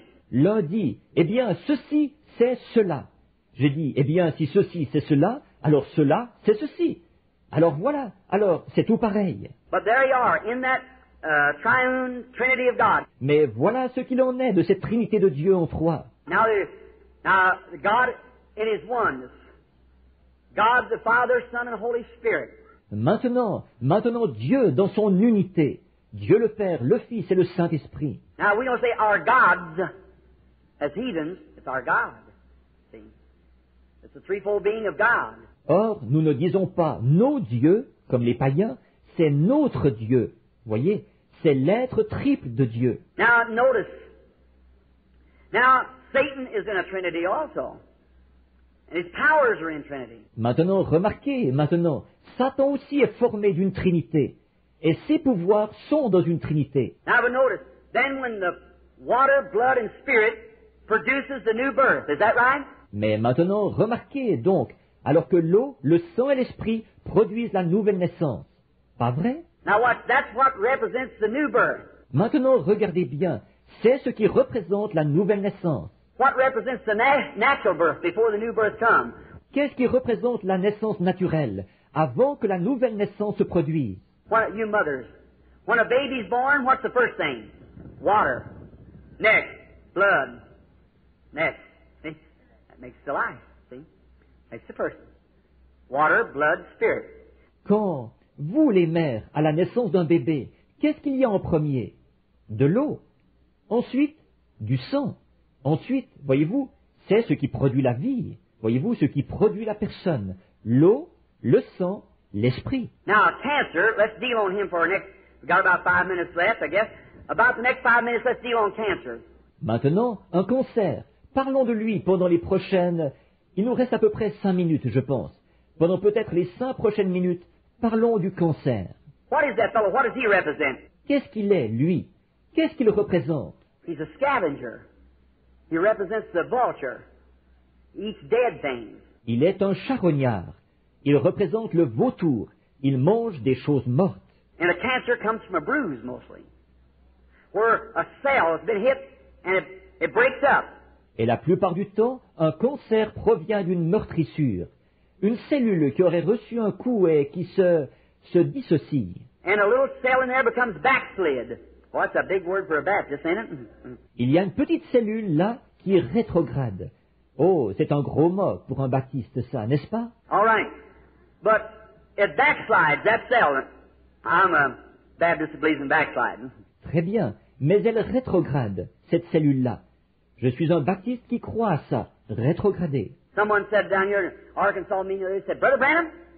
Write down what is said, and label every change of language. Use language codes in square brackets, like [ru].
[fr] L'un dit, eh bien, ceci, c'est cela. J'ai dit, eh bien, si ceci, c'est cela, alors cela, c'est ceci. Alors voilà, alors c'est tout pareil. [en] But there you are, in that, triune Trinity of God. [fr] Mais voilà ce qu'il en est de cette Trinité de Dieu en trois. [en] Now, God in his oneness. God the Father, Son, and Holy Spirit. [fr] Maintenant Dieu dans son unité, Dieu le Père, le Fils et le Saint-Esprit. [en] Now we don't say our gods as heathens, it's our God. See? It's the threefold being of God. [fr] Or, nous ne disons pas nos dieux comme les païens, c'est notre Dieu. Voyez, c'est l'être triple de Dieu. [en] Now notice. Now Satan is in a trinity also. And his powers are in Trinity. [fr] Maintenant, Satan aussi est formé d'une trinité, et ses pouvoirs sont dans une trinité. [en] Now, but notice, then when the water, blood, and spirit produces the new birth, is that right? [fr] Mais maintenant, remarquez donc, alors que l'eau, le sang et l'esprit produisent la nouvelle naissance, pas vrai? [en] Now watch, that's what represents the new birth. [fr] Maintenant, regardez bien, c'est ce qui représente la nouvelle naissance. [en] What represents the natural birth before the new birth comes? [fr] Qu'est-ce qui représente la naissance naturelle avant que la nouvelle naissance se produise? [en] What you mothers, when a baby's born, what's the first thing? Water. Next, blood. Next, see? That makes the life. See? That's the person. Water, blood, spirit. [fr] Quand vous les mères à la naissance d'un bébé, qu'est-ce qu'il y a en premier? De l'eau. Ensuite, du sang. Ensuite, voyez-vous, c'est ce qui produit la vie. Voyez-vous, ce qui produit la personne. L'eau, le sang, l'esprit. [en] Now, cancer, let's deal on him for our next... We've got about 5 minutes left, I guess. About the next 5 minutes, let's deal on cancer. [fr] Maintenant, un cancer. Parlons de lui pendant les prochaines... Il nous reste à peu près 5 minutes, je pense. Pendant peut-être les 5 prochaines minutes, parlons du cancer. [en] What is that fellow? What does he represent? [fr] Qu'est-ce qu'il est, lui? Qu'est-ce qu'il représente? [en] He's a scavenger. He represents the vulture. Eats dead things. [fr] Il est un charognard. Il représente le vautour. Il mange des choses mortes. [en] And a cancer comes from a bruise mostly. Where a cell has been hit and it breaks up. [fr] Et la plupart du temps, un cancer provient d'une meurtrissure. Une cellule qui aurait reçu un coup et qui se dissocie. [en] And a little cell in there becomes backslid. Well, that's a big word for a Baptist, isn't it? [fr] Il y a une petite cellule là qui rétrograde. Oh, c'est un gros mot pour un baptiste, ça, n'est-ce pas? [en] All right. But it backslides, that cell. I'm a Baptist who believes in backsliding. [fr] Très bien. Mais elle rétrograde, cette cellule-là. Je suis un baptiste qui croit à ça, rétrograder. [en] Someone said down here in Arkansas, they said, Brother Branham,